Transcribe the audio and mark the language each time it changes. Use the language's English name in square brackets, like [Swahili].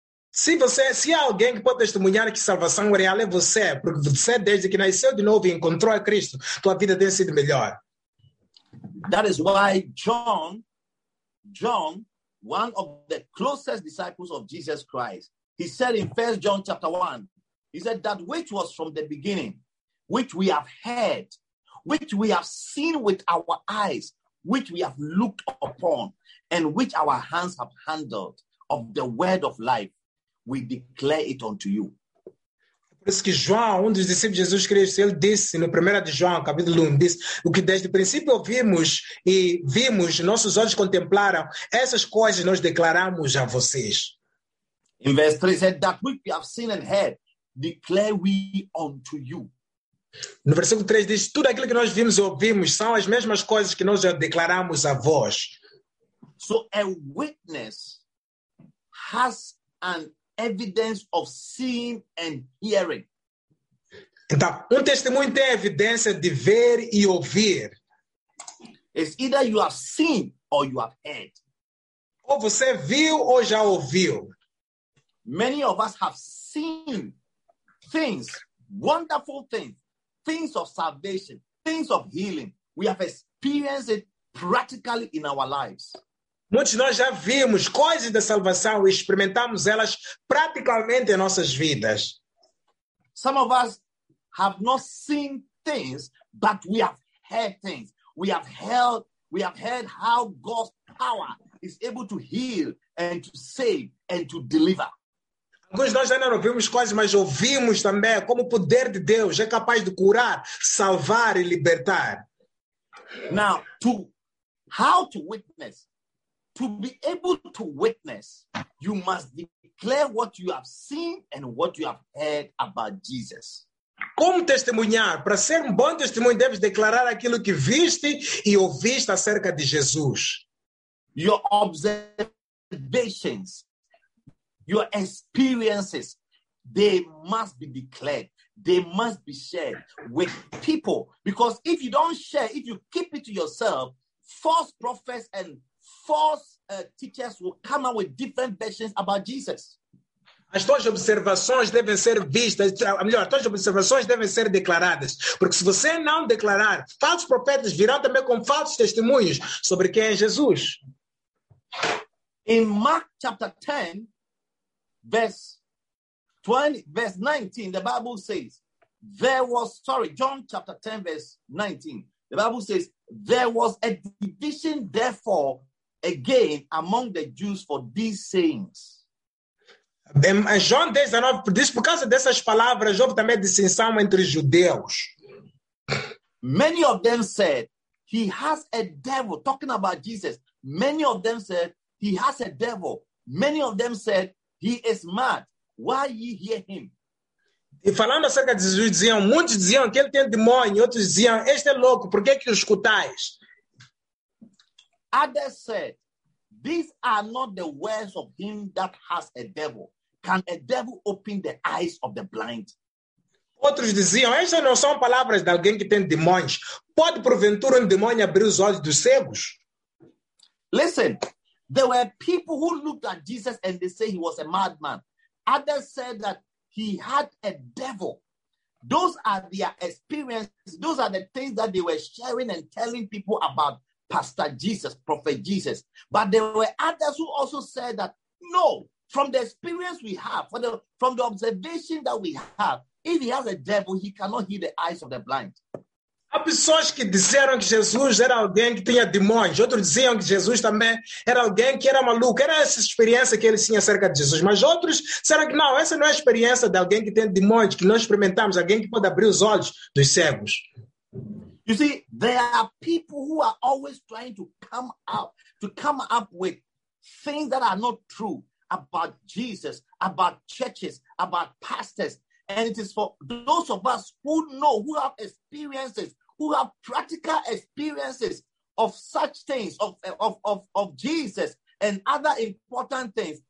[Portuguese] Se há alguém que pode testemunhar que salvação é real, é você, porque você, desde que nasceu de novo e encontrou a Cristo, tua vida tem sido melhor. [English] That is why John, one of the closest disciples of Jesus Christ, he said in 1 John chapter 1, he said that which was from the beginning, which we have heard, which we have seen with our eyes, which we have looked upon, and which our hands have handled of the word of life, we declare it unto you. [Portuguese] Por isso que João, dos discípulos de Jesus Cristo, ele disse no 1 de João, capítulo 1, disse, o que desde o princípio ouvimos e vimos, nossos olhos contemplaram, essas coisas nós declaramos a vocês. [English] In verse 3, it said, that which we have seen and heard, declare we unto you. [Portuguese] No versículo 3 diz, tudo aquilo que nós vimos e ouvimos são as mesmas coisas que nós já declaramos a vós. [English] So a witness has an evidence of seeing and hearing. [Portuguese] Então, testemunho tem evidência de ver e ouvir. [English] It's either you have seen or you have heard. [Portuguese] Ou você viu ou já ouviu. [English] Many of us have seen things, wonderful things. Things of salvation, things of healing. We have experienced it practically in our lives. [Portuguese] Muitos nós já vimos coisas da salvação e experimentamos elas praticamente em nossas vidas. [English] Some of us have not seen things, but we have heard things. We have heard how God's power is able to heal and to save and to deliver. [Portuguese] Alguns nós ainda não ouvimos coisas, mas ouvimos também como o poder de Deus é capaz de curar, salvar e libertar. [English] Now, how to witness? To be able to witness, you must declare what you have seen and what you have heard about Jesus. [Portuguese] Como testemunhar? Para ser um bom testemunho, deves declarar aquilo que viste e ouviste acerca de Jesus. [English] Your observations, your experiences, they must be declared. They must be shared with people. Because if you don't share, if you keep it to yourself, false prophets and false teachers will come up with different versions about Jesus. [Portuguese] As tuas observações devem ser vistas, melhor, as tuas observações devem ser declaradas. Porque se você não declarar, falsos profetas virão também com falsos testemunhos sobre quem é Jesus. [English] In Mark chapter 10, verse 19, the Bible says, there was a division therefore again among the Jews for these sayings. [Portuguese] João 19 diz, por causa dessas palavras, houve também dissensão entre os judeus. [English] Many of them said, he has a devil, talking about Jesus. Many of them said, he has a devil. Many of them said, he is mad. Why ye hear him? [Portuguese] E falando acerca de Jesus, diziam, muitos diziam que ele tem demônio, outros diziam, este é louco, por que o escutais? [English] Others said, these are not the words of him that has a devil. Can a devil open the eyes of the blind? [Portuguese] Outros diziam, estas não são palavras de alguém que tem demônios. Pode, porventura, demônio abrir os olhos dos cegos? [English] Listen, there were people who looked at Jesus and they said he was a madman. Others said that he had a devil. Those are their experiences. Those are the things that they were sharing and telling people about Pastor Jesus, Prophet Jesus. But there were others who also said that, no, from the experience we have, from the observation that we have, if he has a devil, he cannot heal the eyes of the blind. [Portuguese] Há pessoas que disseram que Jesus era alguém que tinha demônios. Outros diziam que Jesus também era alguém que era maluco. Era essa experiência que ele tinha acerca de Jesus. Mas outros disseram que não, essa não é a experiência de alguém que tem demônios, que nós experimentamos, alguém que pode abrir os olhos dos cegos. [English] You see, there are people who are always trying to come up with things that are not true about Jesus, about churches, about pastors. And it is for those of us who know, who have experiences, who have practical experiences of such things, of Jesus and other important things.